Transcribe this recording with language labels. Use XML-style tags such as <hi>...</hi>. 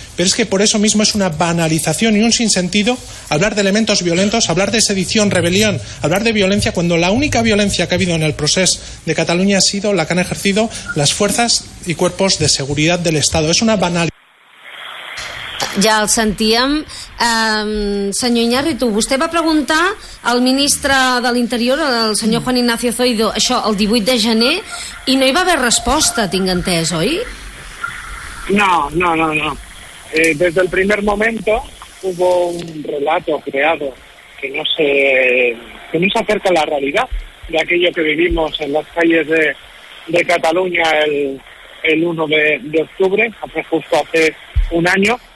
<es>Pero es que por eso mismo es una banalización y un sinsentido hablar de elementos violentos, hablar de sedición, rebelión, hablar de violencia, cuando la única violencia que ha habido en el procés de Cataluña ha sido la que han ejercido las fuerzas y cuerpos de seguridad del Estado. Es una banalización.</es> <ca>Ja el sentíem. Senyor Iñárritu, vostè va preguntar al ministre de l'Interior, el senyor Juan Ignacio Zoido, això el 18 de gener, i no hi va haver resposta, tinc entès, oi? No.</ca> <es>Desde el primer momento hubo un relato creado que no se acerca a la realidad de aquello que vivimos en las calles de Cataluña el 1 de octubre, justo hace un año.</es>